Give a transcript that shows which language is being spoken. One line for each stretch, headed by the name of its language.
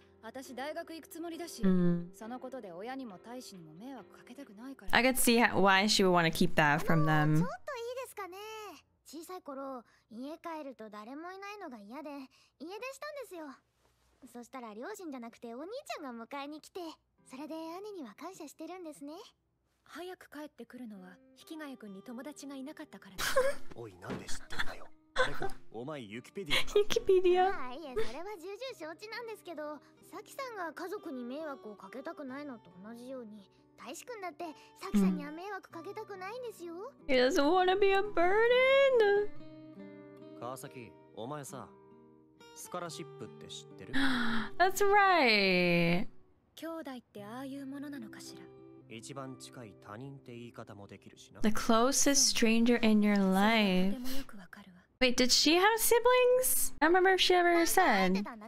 Japanese: 私大学行くつもりだし、そのことで親にも大使にも迷惑かけたくないから。
English: I can see why she would want to keep that from them.
Japanese: ちょっといいですかね。小さい頃、家帰ると誰もいないのが嫌で、家出したんですよ。そしたら両親じゃなくてお兄ちゃんが迎えに来て、それで兄には感謝してるんですね。早く帰ってくるのは、引きがやくんに友達がいなかったからおい、なんで知ってんだよ。お前ユキペディア。ユキペディア。あ、いや、それは重々承知なんですけど、サキさんが家族に迷惑をかけたくないのと同じように、大志くんだってサキさんには迷惑かけたくないんですよ。
English: He doesn't want to be a burden。
Japanese: 川崎、お前さ、スカラシップって知ってる？
English: That's right。
Japanese: 兄弟ってああいうものなのかしら。一番近い他人って言い方もできるしな。
English: The closest stranger in your life。 Wait, did she have siblings? I don't remember if she ever said.